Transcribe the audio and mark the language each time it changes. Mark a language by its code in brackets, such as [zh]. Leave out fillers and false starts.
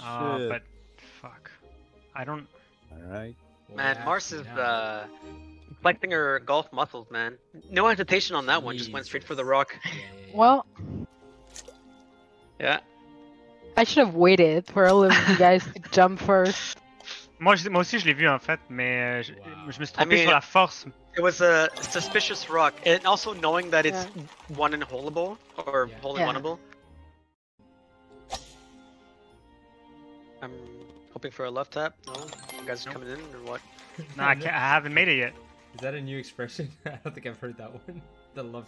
[en] But fuck. I don't... Alright. Man, Mars is, flexing her golf muscles, man. No hesitation on that one, just went straight for the rock. Well... Yeah. I should have waited for all of you guys to jump first. [fr] Moi aussi je l'ai vu en fait, mais je me suis trompé sur la force. [en] It was a suspicious rock, and also knowing that it's one and holeable, or hole-in-oneable. I'm hoping for a left tap. No, you guys are coming in, or what? Nah, I haven't made it yet. Is that a new expression? I don't think I've heard that one. The love